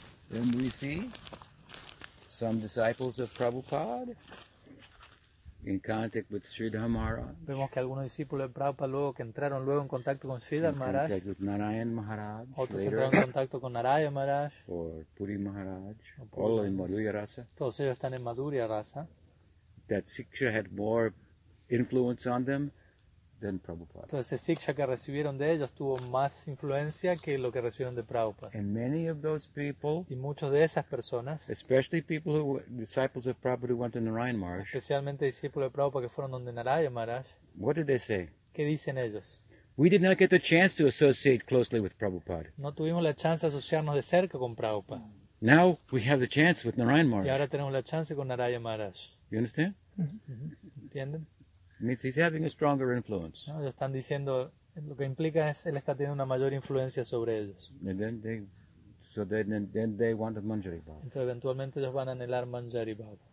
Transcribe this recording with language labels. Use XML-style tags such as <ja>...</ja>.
<en>Then we see some disciples of Prabhupada in contact with Sridhar Maharaj.</en> <es>Vemos que algunos discípulos de Prabhupada luego que entraron luego en contacto con Sridhar Maharaj.</es> <en>In contact with Narayan Maharaj.</en> <es>Otros entraron en contacto con Narayan Maharaj.</es> <en>Or Puri Maharaj. All in Madhurya Rasa.</en> <es>Todos ellos están en Madhurya Rasa.</es> <en>That Siksha had more influence on them than Prabhupada.</en> <es>Entonces, ese Siksha que recibieron de ellos tuvo más influencia que lo que recibieron de Prabhupada.</es> <en>And many of those people,</en> <es>y muchos de esas personas,</es> <en>especially people who were disciples of Prabhupada who went to Narayan Maharaj,</en> <es>especialmente discípulos de Prabhupada que fueron donde Narayan Maharaj,</es> <en>what did they say?</en> <es>¿Qué dicen ellos?</es> <en>We did not get the chance to associate closely with Prabhupada.</en> <es>No tuvimos la chance de asociarnos de cerca con Prabhupada.</es> <en>Now we have the chance with Narayan Maharaj.</en> <es>Y ahora tenemos la chance con Narayan Maharaj.</es> <en>You understand?</en> <es>¿Entienden?</es> <en>It means he's having a stronger influence.</en> <es>No, ellos están diciendo lo que implica es él está teniendo una mayor influencia sobre ellos.</es> <en>And then they want a Manjari Bhava.</en> <es>Entonces eventualmente ellos van a anhelar Manjari Bhava.</es>